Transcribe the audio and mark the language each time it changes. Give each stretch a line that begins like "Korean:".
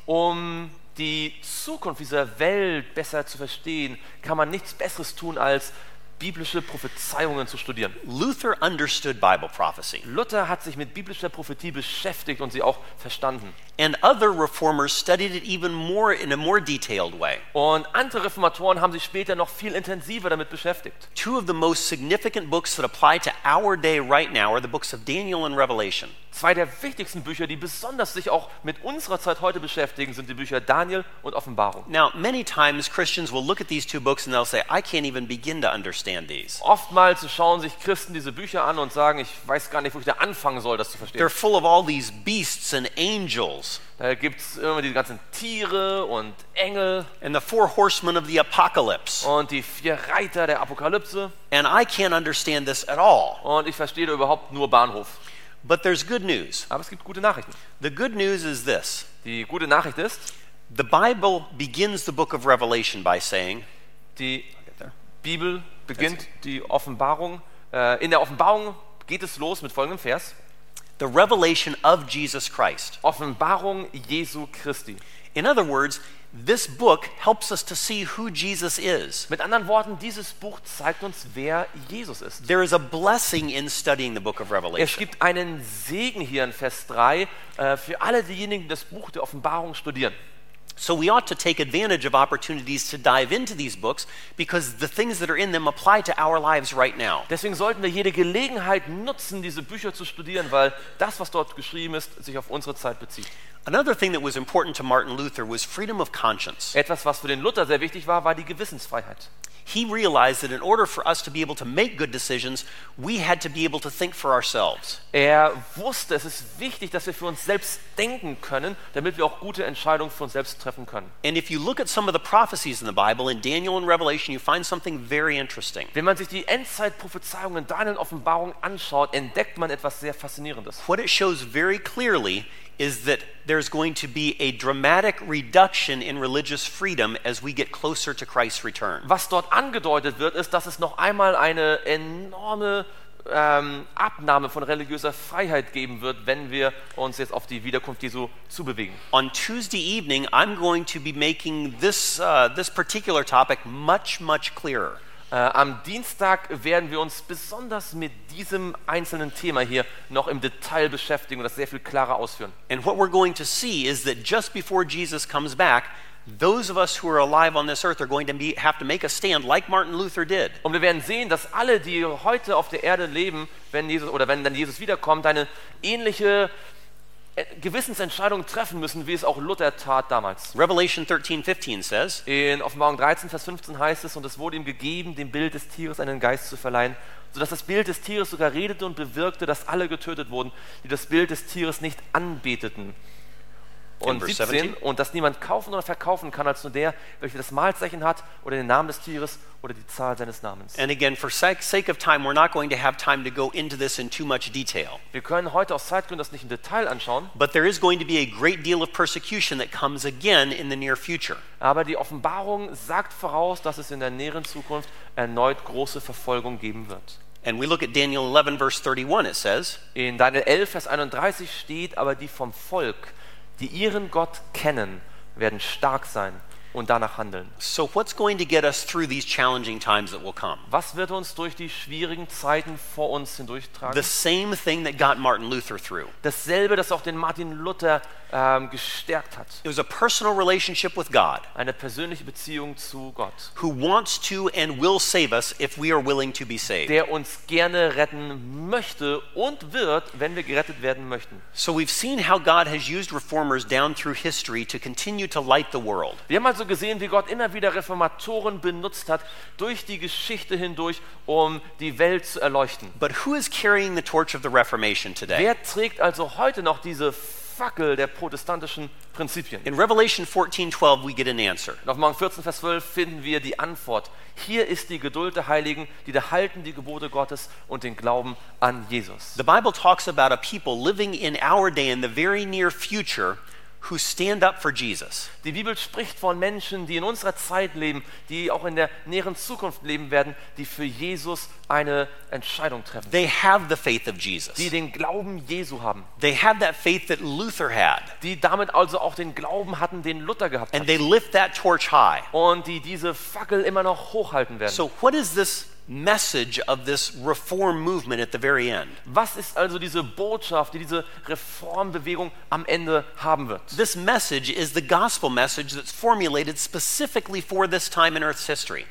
German: Um die Zukunft dieser Welt besser zu verstehen, kann man nichts Besseres tun als biblische Prophezeiungen zu studieren.
English: Luther understood Bible prophecy.
German: Luther hat sich mit biblischer Prophetie beschäftigt und sie auch verstanden.
English: And other reformers studied it even more in a more detailed way.
German: Und andere Reformatoren haben sich später noch viel intensiver damit beschäftigt.
English: Two of the most significant books that apply to our day right now are the books of Daniel and Revelation.
German: Zwei der wichtigsten Bücher, die besonders sich auch mit unserer Zeit heute beschäftigen, sind die Bücher Daniel und Offenbarung.
English: Now, many times Christians will look at these two books and they'll say, I can't even begin to understand these.
German: Oftmals schauen sich Christen diese Bücher an und sagen, ich weiß gar nicht, wo ich da anfangen soll, das zu verstehen.
English: They're full of all these beasts and angels.
German: Da gibt's immer diese ganzen Tiere und Engel.
English: And the four horsemen of the apocalypse.
German: Und die vier Reiter der Apokalypse.
English: And I can't understand this at all.
German: Und ich verstehe da überhaupt nur Bahnhof.
English: But there's good news.
German: Aber es gibt gute Nachrichten.
English: The good news is this.
German: Die gute Nachricht ist,
English: the Bible begins the book of Revelation by saying,
German: die Bibel beginnt die Offenbarung. In der Offenbarung geht es los mit folgendem Vers.
English: The revelation of Jesus Christ.
German: Offenbarung Jesu Christi.
English: In other words, this book helps us to see who Jesus is.
German: Mit anderen Worten, dieses Buch zeigt uns, wer Jesus ist.
English: There is a blessing in studying the book of Revelation.
German: Es gibt einen Segen hier in Vers 3 für alle diejenigen, die das Buch der Offenbarung studieren.
English: So we ought to take advantage of opportunities to dive into these books because the things that are in them apply to our lives right now.
German: Deswegen sollten wir jede Gelegenheit nutzen, diese Bücher zu studieren, weil das, was dort geschrieben ist, sich auf unsere Zeit bezieht.
English: Another thing that was important to Martin Luther was freedom of conscience.
German: Etwas, was für den Luther sehr wichtig war, war die Gewissensfreiheit.
English: He realized that in order for us to be able to make good decisions, we had to be able to think for ourselves.
German: Er wusste, es ist wichtig, dass wir für uns selbst denken können, damit wir auch gute Entscheidungen für uns selbst treffen können.
English: And if you look at some of the prophecies in the Bible, in Daniel and Revelation, you find something very interesting.
German: Wenn man sich die Endzeitprophezeiungen in Daniel und Offenbarung anschaut, entdeckt man etwas sehr Faszinierendes.
English: What it shows very clearly is that there's going to be a dramatic reduction in religious freedom as we get closer to Christ's return.
German: Was dort angedeutet wird, ist, dass es noch einmal eine enorme Abnahme von religiöser Freiheit geben wird, wenn wir uns jetzt auf die Wiederkunft Jesu zubewegen.
English: On Tuesday evening, I'm going to be making this particular topic much, much clearer.
German: Am Dienstag werden wir uns besonders mit diesem einzelnen Thema hier noch im Detail beschäftigen und das sehr viel klarer ausführen.
English: And what we're going to see is that just before Jesus comes back, those of us who are alive on this earth are going to have to make a stand like Martin Luther did.
German: Und wir werden sehen, dass alle, die heute auf der Erde leben, wenn dann Jesus wiederkommt, eine ähnliche Gewissensentscheidungen treffen müssen, wie es auch Luther tat damals.
English: Revelation 13:15 says,
German: in Offenbarung 13, Vers 15 heißt es, und es wurde ihm gegeben, dem Bild des Tieres einen Geist zu verleihen, sodass das Bild des Tieres sogar redete und bewirkte, dass alle getötet wurden, die das Bild des Tieres nicht anbeteten. Und 17, und dass niemand kaufen oder verkaufen kann, als nur der, welcher das Malzeichen hat, oder den Namen des Tieres, oder die Zahl seines Namens.
English: And again, for sake of time, we're not going to have time to go into this in too much detail.
German: Wir können heute aus Zeitgründen das nicht im Detail anschauen.
English: But there is going to be a great deal of persecution that comes again in the near future.
German: Aber die Offenbarung sagt voraus, dass es in der näheren Zukunft erneut große Verfolgung geben wird.
English: And we look at Daniel 11, verse 31, it says,
German: in Daniel 11, Vers 31 steht, aber die vom Volk, die ihren Gott kennen, werden stark sein. und danach handeln.
English: So what's going to get us through these challenging times that will come?
German: Was wird uns durch die schwierigen Zeiten vor uns hindurchtragen?
English: The same thing that got Martin Luther through.
German: Dasselbe, das auch den Martin Luther gestärkt hat.
English: It was a personal relationship with God.
German: Eine persönliche Beziehung zu Gott.
English: Who wants to and will save us if we are willing to be saved.
German: Der uns gerne retten möchte und wird, wenn wir gerettet werden möchten.
English: So we've seen how God has used reformers down through history to continue to light the world.
German: Wir haben also gesehen, wie Gott immer wieder Reformatoren benutzt hat durch die Geschichte hindurch, um die Welt zu erleuchten.
English: But who is carrying the torch of the Reformation today?
German: Wer trägt also heute noch diese Fackel der protestantischen Prinzipien?
English: In Revelation 14:12 we get an answer.
German: In Offenbarung 14 Vers 12 finden wir die Antwort. Hier ist die Geduld der Heiligen, die da halten die Gebote Gottes und den Glauben an Jesus.
English: The Bible talks about a people living in our day in the very near future who stand up for Jesus.
German: Die Bibel spricht von Menschen, die in unserer Zeit leben, die auch in der näheren Zukunft leben werden, die für Jesus eine Entscheidung treffen.
English: They have the faith of Jesus.
German: Die den Glauben Jesu haben.
English: They have that faith that Luther had.
German: Die damit also auch den Glauben hatten, den Luther gehabt hat.
English: And they lift that torch high.
German: Und die diese Fackel immer noch hochhalten werden.
English: So what is this message of this reform movement at the very end?
German: Was ist also diese Botschaft, die diese Reformbewegung am Ende haben wird?
English: This message is the gospel message that's formulated specifically for this time in Earth's history.